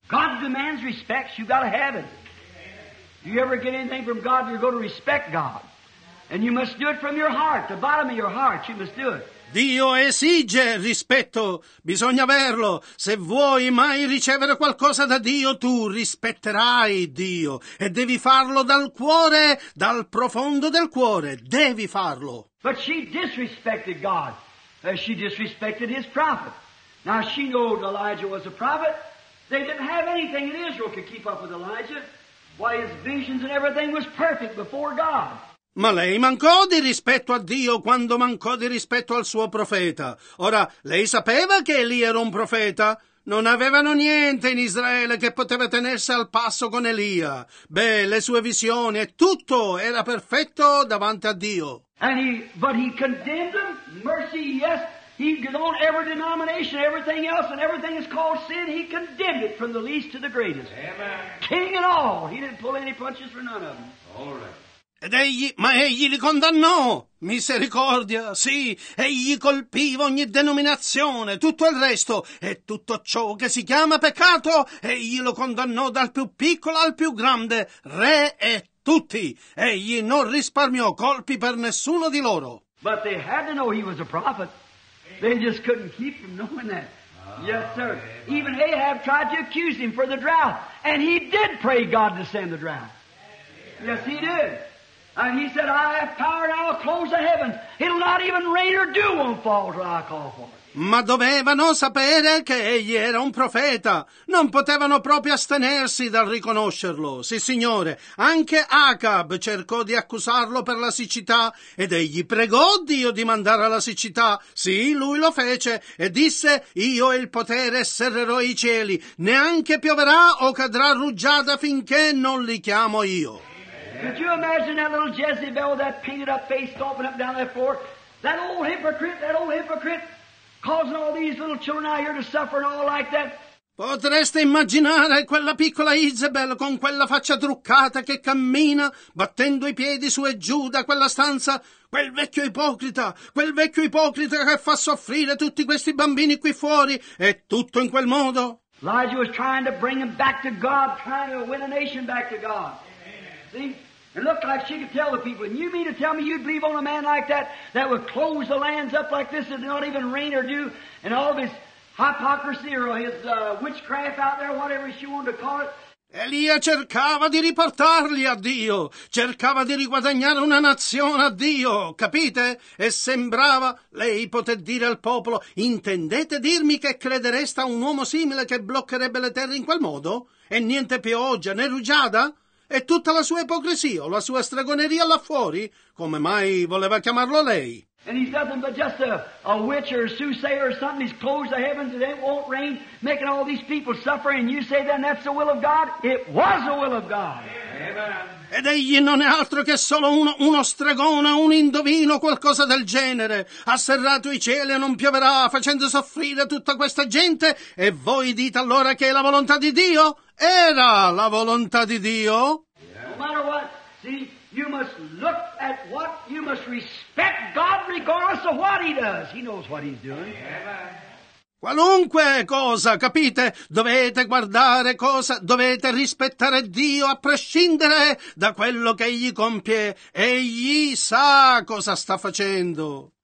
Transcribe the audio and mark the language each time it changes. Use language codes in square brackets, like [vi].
[en] God demands respect, you gotta have it. If you ever get anything from God, you're going to respect God. And you must do it from your heart, the bottom of your heart, you must do it. [it] Dio esige rispetto, bisogna averlo. Se vuoi mai ricevere qualcosa da Dio, tu rispetterai Dio. E devi farlo dal cuore, dal profondo del cuore. Devi farlo. [en] But she disrespected God. She disrespected his prophet. Now she knew Elijah was a prophet. They didn't have anything in Israel could keep up with Elijah. Why, his visions and everything was perfect before God. [it] Ma lei mancò di rispetto a Dio quando mancò di rispetto al suo profeta. Ora, lei sapeva che Elia era un profeta? Non avevano niente in Israele che poteva tenersi al passo con Elia. Beh, le sue visioni e tutto era perfetto davanti a Dio. [en] But he condemned them? Mercy, yes. He got on every denomination, everything else, and everything is called sin. He condemned it from the least to the greatest. Amen. King and all. He didn't pull any punches for none of them. All right. [it] Ma egli li condannò, misericordia, sì, egli colpiva ogni denominazione, tutto il resto, e tutto ciò che si chiama peccato, egli lo condannò dal più piccolo al più grande, re e tutti. Egli non risparmiò colpi per nessuno di loro. [en] But they had to know he was a prophet. They just couldn't keep from knowing that. Yes, sir. Even Ahab tried to accuse him for the drought, and he did pray God to send the drought. Yes, he did. And he said, I have power and I will close the heavens. It'll not even rain or dew won't fall till I call for it. [it] Ma dovevano sapere che egli era un profeta. Non potevano proprio astenersi dal riconoscerlo. Sì, signore. Anche Acab cercò di accusarlo per la siccità ed egli pregò Dio di mandare la siccità. Sì, lui lo fece e disse, io ho il potere e serrerò i cieli. Neanche pioverà o cadrà rugiada finché non li chiamo io. [en] Amen. Could you imagine that little Jezebel with that painted up face stomping up down that floor? That old hypocrite causing all these little children out here to suffer and all like that. [it] Potreste immaginare quella piccola Isabel con quella faccia truccata che cammina battendo i piedi su e giù da quella stanza, quel vecchio ipocrita che fa soffrire tutti questi bambini qui fuori, e tutto in quel modo. [en] Elijah was trying to bring them back to God, trying to win a nation back to God. Amen. See? It looked like she could tell the people, and you mean to tell me you'd believe on a man like that, that would close the lands up like this and not even rain or dew, and all of his hypocrisy or his witchcraft out there, whatever she wanted to call it. [it] Elia cercava di riportarli a Dio, cercava di riguadagnare una nazione a Dio, capite? E sembrava, lei poté dire al popolo, intendete dirmi che credereste a un uomo simile che bloccherebbe le terre in quel modo? E niente pioggia, né rugiada? E tutta la sua ipocrisia, la sua stregoneria là fuori? Come mai voleva chiamarlo lei? [en] And he's nothing but just a witch or a soothsayer or something. He's closed the heavens and it won't rain, making all these people suffer. And you say then that's the will of God? It was the will of God. Amen. [it] Ed egli non è altro che solo uno stregone, un indovino, qualcosa del genere. Ha serrato i cieli e non pioverà, facendo soffrire tutta questa gente. E voi dite allora che è la volontà di Dio? Era la volontà di Dio? [en] Yeah. No matter what, see? You must look at what, you must respect God regardless of what he does. He knows what he's doing. [it] Qualunque cosa, capite? Dovete guardare cosa, dovete rispettare Dio a prescindere da quello che egli compie. Egli sa cosa sta facendo.